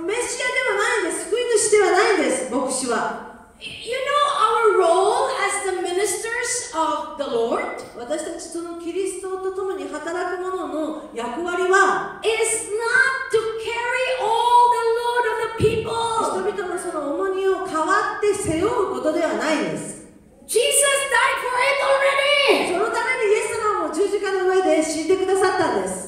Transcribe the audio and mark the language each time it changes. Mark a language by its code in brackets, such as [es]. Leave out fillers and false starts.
[ja] メシアではないんです。救い主ではないんです、牧師は。 [en] You know our role as the ministers of the Lord? [ja] 私たちそのキリストと共に働く者の役割は [en] is not to carry all the load of the people! [ja] 人々のその重荷を代わって背負うことではないんです。 [en] Jesus died for it already! [ja] そのためにイエス様も十字架の上で死んでくださったんです。